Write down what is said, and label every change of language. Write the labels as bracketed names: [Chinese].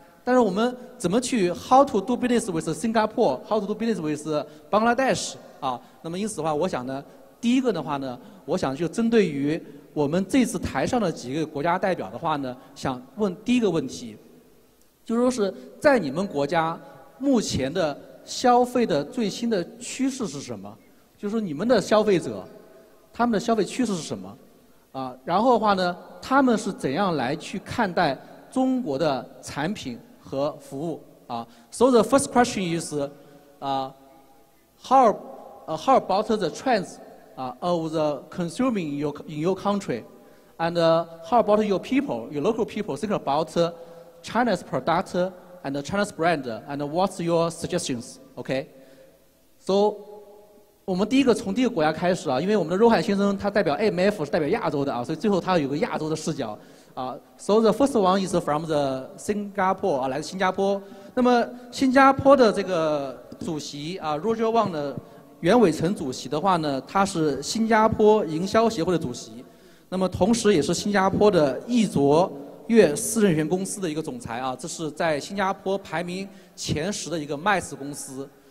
[Chinese] 但是我们怎么去 [English] How to do business with Singapore？How to do business with Bangladesh？ [Chinese] 啊，那么因此的话，我想呢，第一个的话呢，我想就针对于我们这次台上的几个国家代表的话呢，想问第一个问题，就是说是在你们国家目前的消费的最新的趋势是什么？就是说你们的消费者，他们的消费趋势是什么？啊，然后的话呢，他们是怎样来去看待中国的产品和服务啊 [English] ？So the first question is, how about the trends, of the consuming in your country, and how about your local people think about China's product and China's brand and what's your suggestions? Okay, so. [Chinese] 我们第一个从第一个国家开始啊，因为我们的若翰先生他代表 AMF 是代表亚洲的啊，所以最后他有个亚洲的视角啊。 [English] So the first one is from the Singapore [Chinese] 啊，来自新加坡。那么新加坡的这个主席啊 ，Roger Wang 的袁伟成主席的话呢，他是新加坡营销协会的主席，那么同时也是新加坡的易卓越私人权公司的一个总裁啊，这是在新加坡排名前十的一个 MICE 公司。